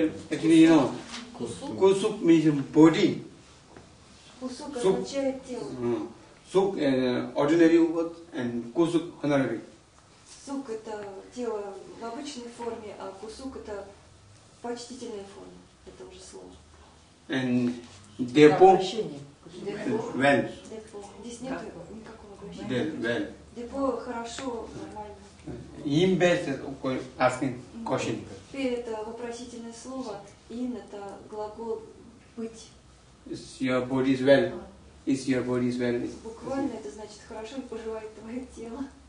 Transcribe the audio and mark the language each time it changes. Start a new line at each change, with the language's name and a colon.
English: Actually, you know, kusu means body. Kusu means body. Kusu is ordinary word and kusu honorary.
Russian: Сук – это тело в обычной форме, а кусук – это почтительная форма этого же слова.
English: And депо? Вен.
Russian: Здесь нет никакого обращения. Депо – хорошо, нормально. Имбе – это
English: asking question.
Russian: Пе – это вопросительное слово, ин – это глагол быть.
English: Is your body is well? Is your body is well?
Russian: Буквально это значит хорошо и поживает твое тело.